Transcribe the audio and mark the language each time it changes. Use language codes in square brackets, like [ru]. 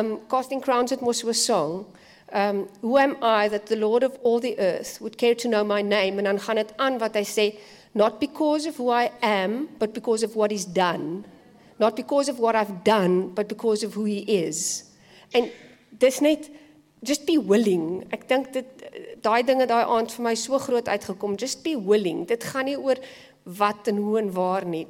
[af] Casting Crowns het mos so 'n song. [en] Who am I that the Lord of all the earth would care to know my name? [af] En dan gaan het aan wat hy sê, [en] not because of who I am, but because of what he's done. Not because of what I've done, but because of who he is. [af] En dis net, [en] just be willing. [af] Ek dink dit, die dinge die aand vir my so groot uitgekom, [en] just be willing. [af] Dit gaan nie oor wat en hoe en waar nie.